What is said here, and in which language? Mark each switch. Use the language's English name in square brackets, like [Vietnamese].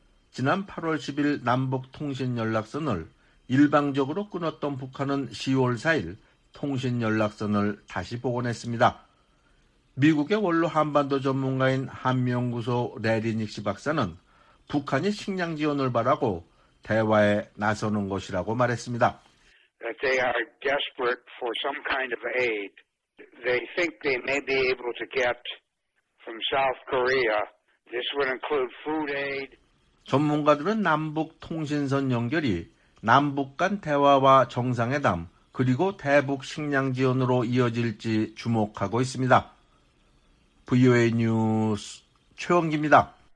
[Korean] 지난 8월 10일 남북통신연락선을 일방적으로 끊었던 북한은 10월 4일 통신연락선을 다시 복원했습니다. 미국의 원로 한반도 전문가인 한미연구소 레리닉 씨 박사는 북한이 식량 지원을 바라고 대화에 나서는 것이라고 말했습니다. [English] That they are desperate for some kind of aid. They think they may be able to get from South Korea. This would include food aid. [Korean] 전문가들은 남북 통신선 연결이 남북 간 대화와 정상회담 그리고 대북 식량 지원으로 이어질지 주목하고 있습니다. VOA 뉴스 최원기입니다.